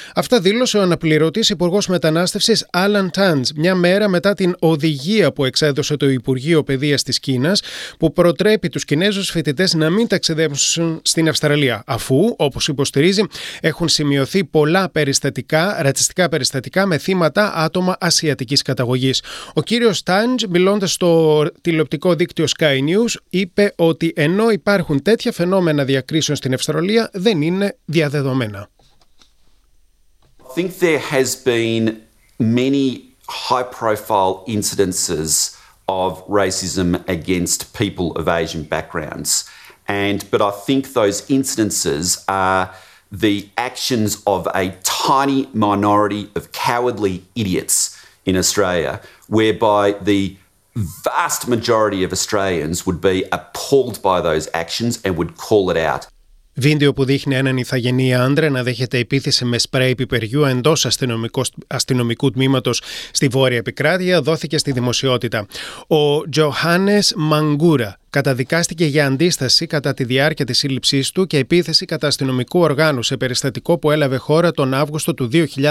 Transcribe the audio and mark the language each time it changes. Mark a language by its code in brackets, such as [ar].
[el] Αυτά δήλωσε ο αναπληρωτής υπουργός μετανάστευσης Alan Tans, μια μέρα μετά την οδηγία που εξέδωσε το Υπουργείο Παιδείας της Κίνας, που προτρέπει τους Κινέζους φοιτητές να μην ταξιδέψουν στην Αυστραλία, αφού, όπως υποστηρίζει, έχουν σημειωθεί πολλά ρατσιστικά περιστατικά με θύματα άτομα ασιατικής καταγωγής. Ο κύριος Τάντζ, μιλώντας στο τηλεοπτικό δίκτυο Sky News, είπε ότι ενώ υπάρχουν τέτοια φαινόμενα διακρίσεων στην Αυστραλία, δεν είναι διαδεδομένα. [en] I think there has been many high profile incidences of racism against people of Asian backgrounds. But I think those incidences are the actions of a tiny minority of cowardly idiots in Australia, whereby the vast majority of Australians would be appalled by those actions and would call it out. [el] Βίντεο που δείχνει έναν ηθαγενή άντρα να δέχεται επίθεση με σπρέι πιπεριού εντός αστυνομικού τμήματος στη Βόρεια Επικράτεια δόθηκε στη δημοσιότητα. Ο Τζοχάνες Μαγκούρα καταδικάστηκε για αντίσταση κατά τη διάρκεια της σύλληψής του και επίθεση κατά αστυνομικού οργάνου σε περιστατικό που έλαβε χώρα τον Αύγουστο του 2019.